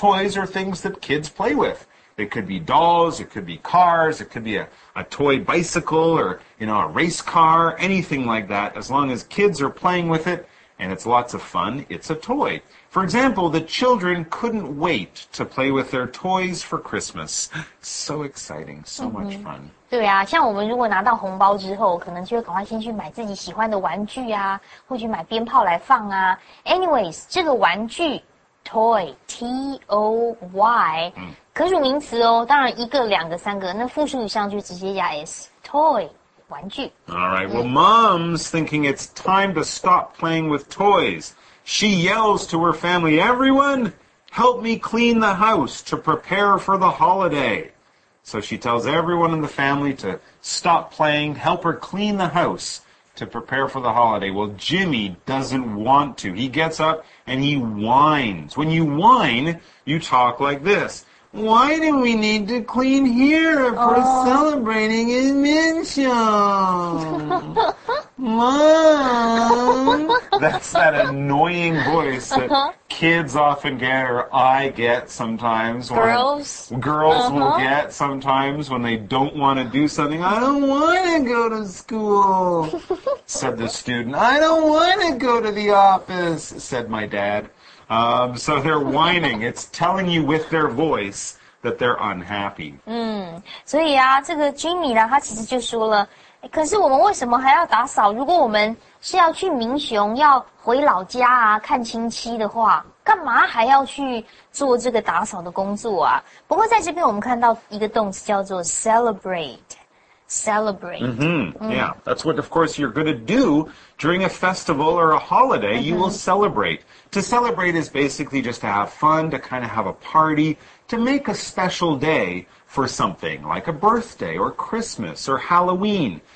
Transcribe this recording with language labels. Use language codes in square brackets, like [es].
[en] Toys are things that kids play with. It could be dolls, it could be cars, it could be a toy bicycle or, you know, a race car, anything like that. As long as kids are playing with it and it's lots of fun, it's a toy. For example, the children couldn't wait to play with their toys for Christmas. So exciting, so much fun. [zh] 对啊，像我们如果拿到红包之后，可能就会赶快先去买自己喜欢的玩具啊，或去买鞭炮来放啊。 Anyways, 这个玩具 toy, T-O-Y, 可数名词哦，当然一个、两个、三个，那复数以上就直接加 s, toy, 玩具。 [en] All right, well, mom's thinking it's time to stop playing with toys. She yells to her family, everyone, help me clean the house to prepare for the holiday. So she tells everyone in the family to stop playing, help her clean the house to prepare for the holiday. Well, Jimmy doesn't want to. He gets up and he whines. When you whine, you talk like this. Why do we need to clean here if we're celebrating in Minxiong? Mom! That's that annoying voice that kids often get, or I get sometimes. Girls will get sometimes when they don't want to do something. I don't want to go to school, said the student. I don't want to go to the office, said my dad. So they're whining. It's telling you with their voice that they're unhappy. [zh] 所以啊，这个 Jimmy 呢，他其实就说了，可是我们为什么还要打扫？如果我们是要去民雄，要回老家啊，看亲戚的话，干嘛还要去做这个打扫的工作啊？不过在这边我们看到一个动词叫做 celebrate. [en] Yeah, that's what, of course, you're going to do during a festival or a holiday. You will celebrate. To celebrate is basically just to have fun, to kind of have a party, to make a special day. For something like a birthday or Christmas or Halloween.